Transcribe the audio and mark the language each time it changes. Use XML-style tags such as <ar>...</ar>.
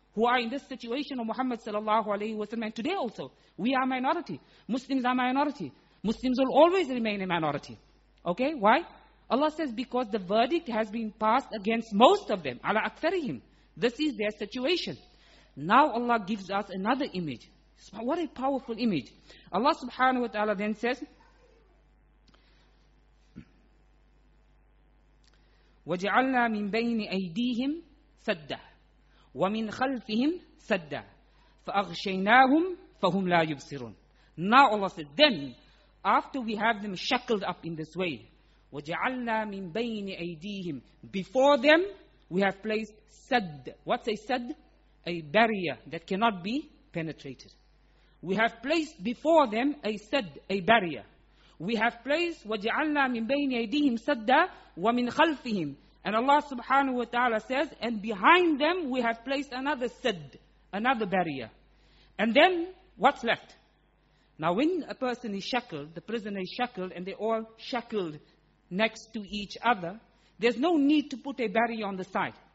<en>who are in this situation of Muhammad sallallahu alayhi wa sallam. And today also, we are a minority. Muslims are a minority. Muslims will always remain a minority. Okay, why? Allah says, because the verdict has been passed against most of them. Ala aktharihim. This is their situation. Now Allah gives us another image. What a powerful image. Allah subhanahu wa ta'ala then says,</en> <ar>وَجَعَلْنَا مِنْ بَيْنِ أَيْدِيهِمْ سَدَّةً وَمِنْ خَلْفِهِمْ سَدَّةً فَأَغْشَيْنَاهُمْ فَهُمْ لَا يُبْصِرُونَ.</ar> <en>Now Allah says, then, after we have them shackled up in this way,</en> <ar>وَجَعَلْنَا مِنْ بَيْنِ أَيْدِيهِمْ,</ar> <en>before them, we have placed sadd. What's a sadd? A barrier that cannot be penetrated. We have placed before them a sadd, a barrier. We have placed</en> <ar>وَجَعَلْنَا مِنْ بَيْنِ أَيْدِيهِمْ سَدَّةً وَمِنْ خَلْفِهِمْ.</ar> <en>And Allah subhanahu wa ta'ala says, and behind them we have placed another sadd, another barrier. And then, what's left? Now when a person is shackled, the prisoner is shackled, and they're all shackled next to each other, there's no need to put a barrier on the side.</en>